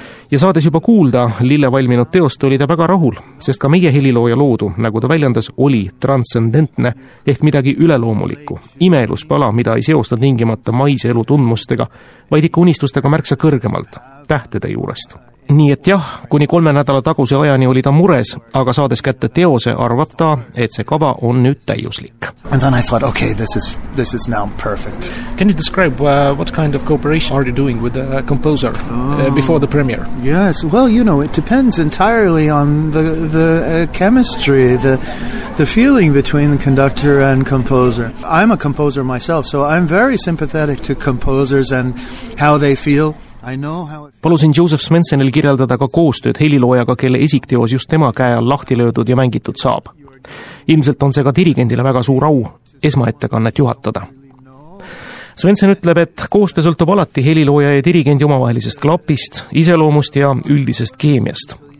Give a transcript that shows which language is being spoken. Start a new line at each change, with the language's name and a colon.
Estonian: Ja saades juba kuulda Lille valminud teost, oli ta väga rahul, sest ka meie helilooja loodu, nagu ta väljendas, oli transcendentne, ehk midagi üleloomulikku. Imeeluspala, mida ei seosta tingimata maise elu tundmustega, vaid ikka unistustega märksa kõrgemalt, tähtede juurest. Nii et jah, kuni kolme nädala taguse ajani oli ta mures, aga saades kätte teose, arvab ta, et see kava on nüüd täiuslik.
English: And then I thought, okay, this is now perfect. Can you describe what kind of cooperation are you doing with the composer before the premiere? Yes, well, you know, it depends entirely on the chemistry, the feeling between the conductor and composer. I'm a composer myself, so I'm very sympathetic to composers and how they feel.
Estonian: Palusin Joseph Svenssonil kirjeldada ka koostööd heliloojaga, kelle esikteos just tema käe all lahti löödud ja mängitud saab. Ilmselt on see ka dirigendile väga suur au esmaettekannet juhatada. Svensson ütleb, et koostöö sõltub alati helilooja ja dirigendi omavahelisest klapist, iseloomust ja üldisest keemiast.